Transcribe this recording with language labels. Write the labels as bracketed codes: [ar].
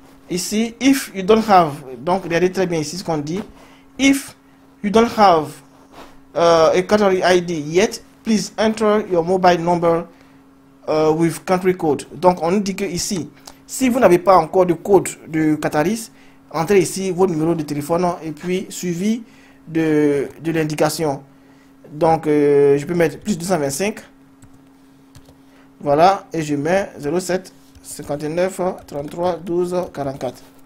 [fr] Ici, [en] if you don't have, [fr] donc regardez très bien ici ce qu'on dit. [en] If you don't have a Qatari ID yet, please enter your mobile number with country code. [fr] Donc on dit que ici, si vous n'avez pas encore de code de Qataris, entrez ici votre numéro de téléphone et puis suivi de l'indication. Donc, je peux mettre plus 225. Voilà, et je mets 07 59 33 12 44.